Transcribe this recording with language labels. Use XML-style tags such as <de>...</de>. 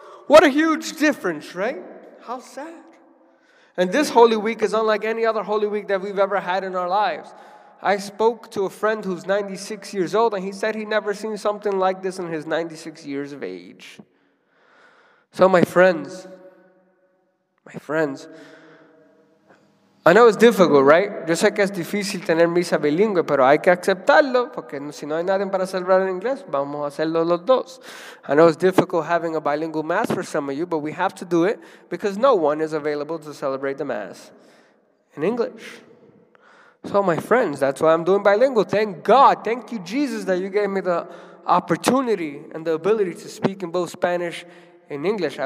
<en>What a huge difference, right? How sad. And this Holy Week is unlike any other Holy Week that we've ever had in our lives. I spoke to a friend who's 96 years old, and he said he'd never seen something like this in his 96 years of age. So my friends, I know it's difficult, right?</en> <es>Yo sé que es difícil tener misa bilingüe, pero hay que aceptarlo, porque si no hay nadie para celebrar en inglés, vamos a hacerlo los dos.</es> <en>I know it's difficult having a bilingual Mass for some of you, but we have to do it because no one is available to celebrate the Mass in English. So, my friends, that's why I'm doing bilingual. Thank God. Thank you, Jesus, that you gave me the opportunity and the ability to speak in both Spanish and English.</en>